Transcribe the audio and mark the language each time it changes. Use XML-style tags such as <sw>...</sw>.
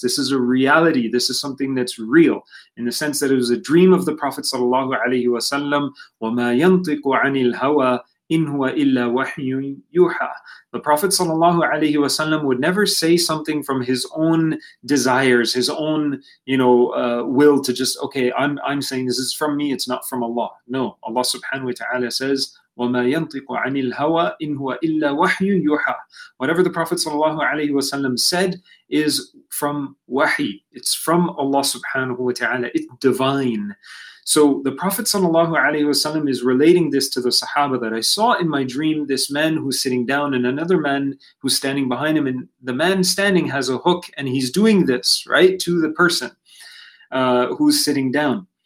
<en>This is a reality. This is something that's real in the sense that it was a dream of the Prophet sallallahu alaihi wasallam.</en> <ar>وَمَا يَنْطِقُ عَنِ الْهَوَىٰ إِنْ هُوَ إِلَّا وَحْيٌ يُوحَىٰ.</ar> <en>The Prophet sallallahu alaihi wasallam would never say something from his own desires, his own, you know, will to just, okay, I'm saying this is from me, it's not from Allah. No, Allah subhanahu wa ta'ala says,</en> <ar>وَمَا يَنْطِقُ عَنِ الْهَوَىٰ إِنْ هُوَ إِلَّا وَحْيٌ يُوحَىٰ.</ar> <en>Whatever the Prophet sallallahu alaihi wasallam said is from wahi. It's from Allah subhanahu wa ta'ala. It's divine. So the Prophet sallallahu alaihi wasallam is relating this to the Sahaba that I saw in my dream this man who's sitting down and another man who's standing behind him, and the man standing has a hook and he's doing this, right, to the person who's sitting down.</en>